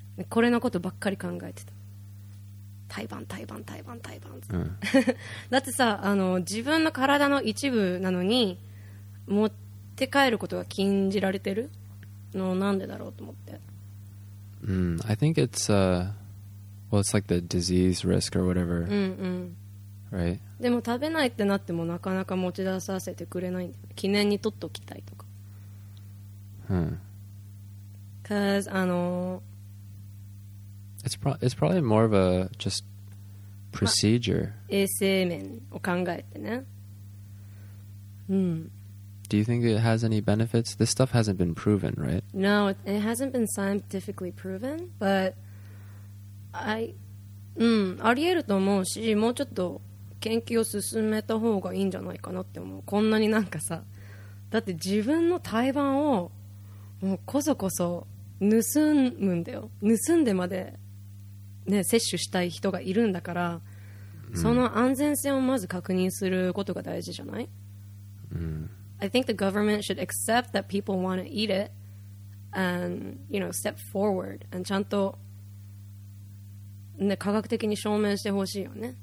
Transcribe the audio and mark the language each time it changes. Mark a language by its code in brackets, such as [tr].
[ja] これのことばっかり考えてた。胎盤、うん、だってさ、あの自分の体の一部なのに持って帰ることが禁じられてるの、なんでだろうと思って。 [en] I think it's well, it's like the disease risk or whatever. Right? [ja] でも食べないってなってもなかなか持ち出させてくれないんだよ。記念に取っておきたいとか。 [en] Cause It's probably more of a just procedure. [ja] 衛生面を考えてね。 [en] Do you think it has any benefits? This stuff hasn't been proven, right? No, it hasn't been scientifically proven, but [ja] うん、ありえると思うし、もうちょっと研究を進めた方がいいんじゃないかなって思う。こんなになんかさ、だって自分の胎盤をもうこそこそ盗むんだよ。盗んでまで、ね、摂取したい人がいるんだから、うん、その安全性をまず確認することが大事じゃない、うん、 [en] I think the government should accept that people want to eat it and, you know, step forward and [ja] ちゃんと、ね、科学的に証明してほしいよね。